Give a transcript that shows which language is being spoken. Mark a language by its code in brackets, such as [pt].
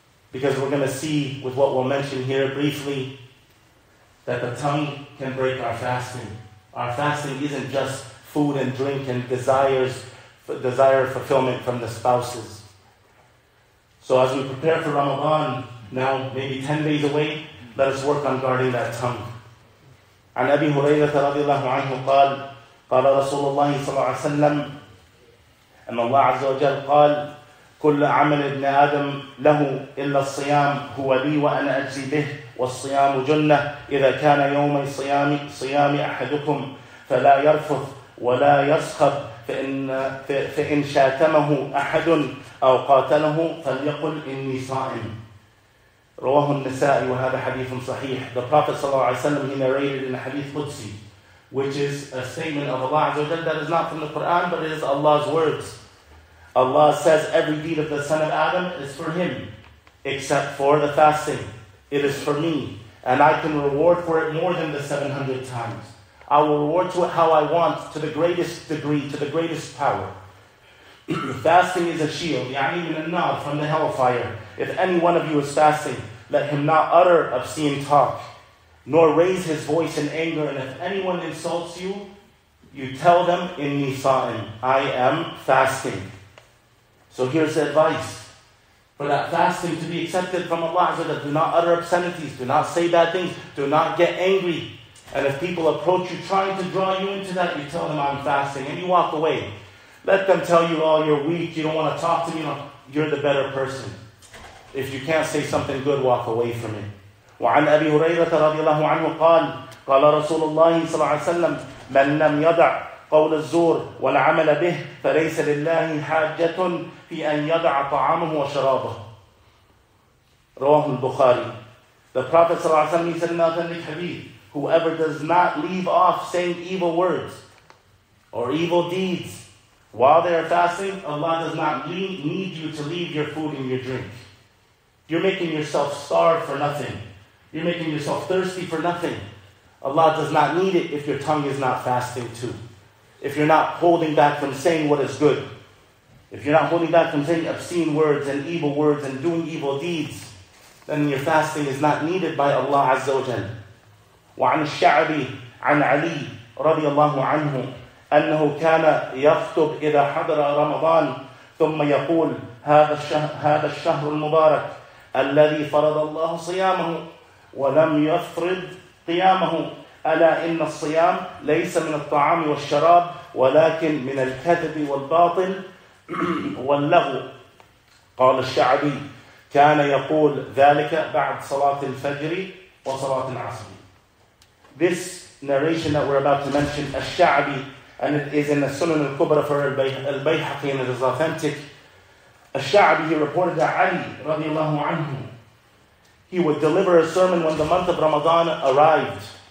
[en] Because we're going to see with what we'll mention here briefly that the tongue can break our fasting. Our fasting isn't just food and drink and desire fulfillment from the spouses. So as we prepare for Ramadan, now maybe 10 days away, let us work on guarding that tongue. [ar] عن أبي هريرة رضي الله عنه قال قال رسول الله صلى الله عليه وسلم أن الله عز وجل قال كل عمل ابن آدم له إلا الصيام هو لي وأنا أجزي به والصيام جنة إذا كان يوم صيام أحدكم فلا يرفث ولا يسخب فإن شاتمه أحد أو قاتله فليقل إني صائم رواه النسائي وهذا حديث صحيح. [en] The Prophet [ar] صلى الله عليه وسلم, [en] he narrated in a hadith Qudsi, which is a statement of Allah Azza wa Jalla that is not from the Quran, but it is Allah's words. Allah says, every deed of the son of Adam is for him, except for the fasting. It is for me, and I can reward for it more than the 700 times. I will reward to it how I want, to the greatest degree, to the greatest power. Fasting is a shield, [ar] ya'ni min an-nar, [en] from the hellfire. If any one of you is fasting, let him not utter obscene talk, nor raise his voice in anger. And if anyone insults you, you tell them, [ar] inni sa'im, [en] I am fasting. So here's the advice. For that fasting to be accepted from Allah, do not utter obscenities, do not say bad things, do not get angry. And if people approach you trying to draw you into that, you tell them, I'm fasting, and you walk away. Let them tell you, oh, you're weak, you don't want to talk to me, you're the better person. If you can't say something good, walk away from it. [ar] وعن أبي هريرة رضي الله عنه قال قال رسول الله صلى الله عليه وسلم من لم يدع قول الزور والعمل به فليس لله حاجة في أن يدع طعامه وشرابه رواه البخاري. [en] The Prophet [ar] صلى الله عليه وسلم [en] said in an authentic hadith, whoever does not leave off saying evil words or evil deeds while they are fasting, Allah does not need you to leave your food and your drink. You're making yourself starve for nothing. You're making yourself thirsty for nothing. Allah does not need it if your tongue is not fasting too. If you're not holding back from saying what is good. If you're not holding back from saying obscene words and evil words and doing evil deeds, then your fasting is not needed by Allah Azza wa Jal. [ar] وعن الشعبي عن علي رضي الله عنه أنه كان يخطب إذا حضر رمضان ثم يقول هذا الشهر المبارك الذي فرض الله صيامه ولم يفرض قيامه ألا إن الصيام ليس من الطعام والشراب ولكن من الكذب والباطل واللغو. قال الشعبي كان يقول ذلك بعد صلاة الفجر وصلاة العصر. [en] This narration that we're about to mention, الشعبي, and it is in the Sunan al-Kubra for al-Bayhaqi, and it is authentic. الشعبي, he reported that Ali [ar] رضي الله عنه, [en] he would deliver a sermon when the month of Ramadan arrived.